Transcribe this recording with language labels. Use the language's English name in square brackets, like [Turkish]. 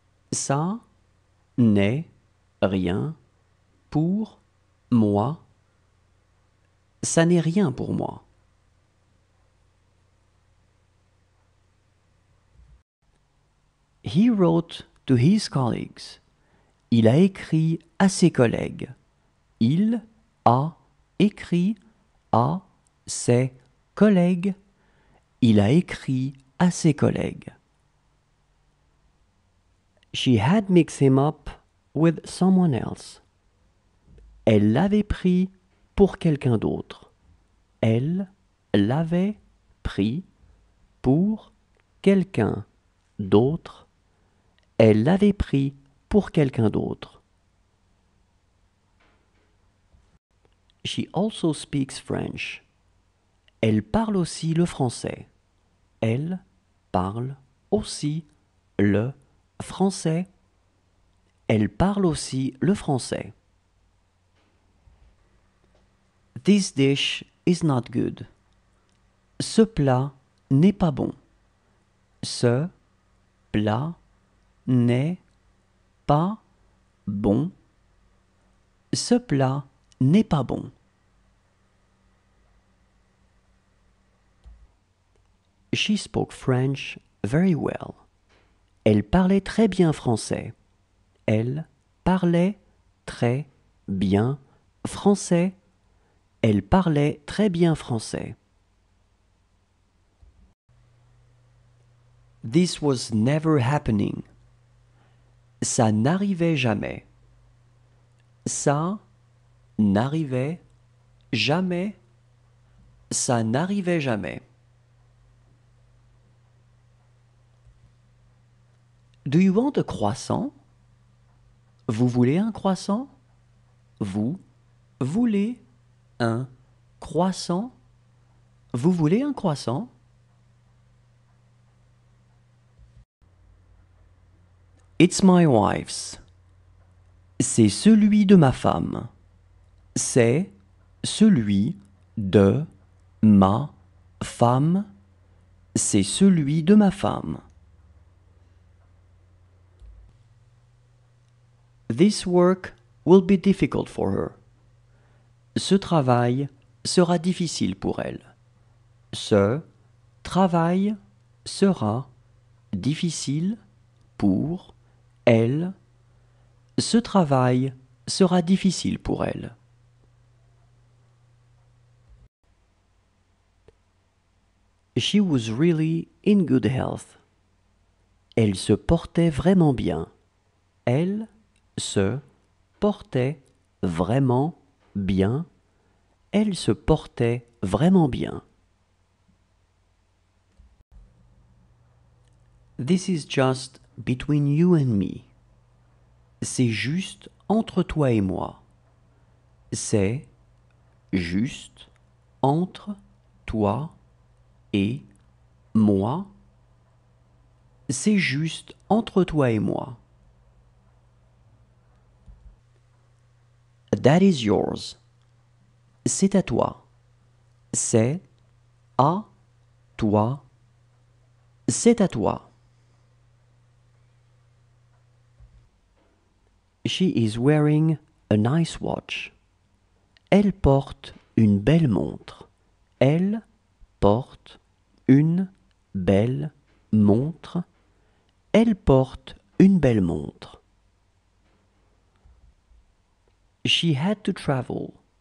[French] Ça n'est rien pour moi. Ça n'est rien pour moi. [English] He wrote to his colleagues. [French] Il a écrit à ses collègues. Il a écrit à ses collègues. Il a écrit à ses collègues. [English] She had mixed him up with someone else. [French] Elle l'avait pris pour quelqu'un d'autre. Elle l'avait pris pour quelqu'un d'autre. Elle l'avait pris pour quelqu'un d'autre. [English] She also speaks French. [French] Elle parle aussi le français. Elle parle aussi le français. Elle parle aussi le français. [English] This dish is not good. [French] Ce plat n'est pas bon. Ce plat n'est pas bon. Ce plat n'est pas bon. [English] She spoke French very well. [French] Elle parlait très bien français. Elle parlait très bien français. Elle parlait très bien français. [English] This was never happening. [French] Ça n'arrivait jamais. Ça n'arrivait jamais. Ça n'arrivait jamais. [English] Do you want a croissant? [French] Vous voulez un croissant? Vous voulez un croissant? Vous voulez un croissant? [English] It's my wife's. [French] C'est celui de ma femme. C'est celui de ma femme. C'est celui de ma femme. [English] This work will be difficult for her. [French] Ce travail sera difficile pour elle. Ce travail sera difficile pour elle. Ce travail sera difficile pour elle. [English] She was really in good health. [French] Elle se portait vraiment bien. Elle se portait vraiment bien. Elle se portait vraiment bien. [English] This is just between you and me. [French] C'est juste entre toi et moi. C'est juste entre toi et moi. C'est juste entre toi et moi. [English] That is yours. [French] C'est à toi. C'est à toi. C'est à toi. [English] She is wearing a nice watch. [French] Elle porte une belle montre. Elle porte une belle montre. Elle porte une belle montre. [English] She had to travel.